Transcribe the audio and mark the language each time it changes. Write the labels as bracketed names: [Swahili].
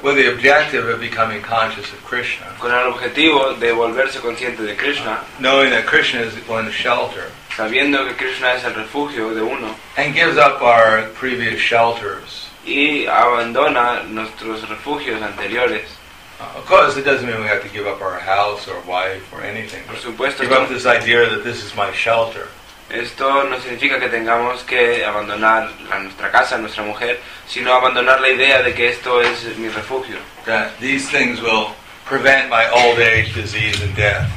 [English] with the objective of becoming conscious of Krishna, [Spanish] con el objetivo de volverse consciente de Krishna, [English] knowing that Krishna is one's shelter, [Spanish] sabiendo que Krishna es el refugio de uno, [English] and gives up our previous shelters, [Spanish] y abandona nuestros refugios anteriores. [English] Of course, it doesn't mean we have to give up our house or wife or anything. [Spanish] Por supuesto, [English] give up this idea that this is my shelter. [Spanish] Esto no significa que tengamos que abandonar a nuestra casa, a nuestra mujer, sino abandonar la idea de que esto es mi refugio. [English] That these things will prevent my old age, disease, and death.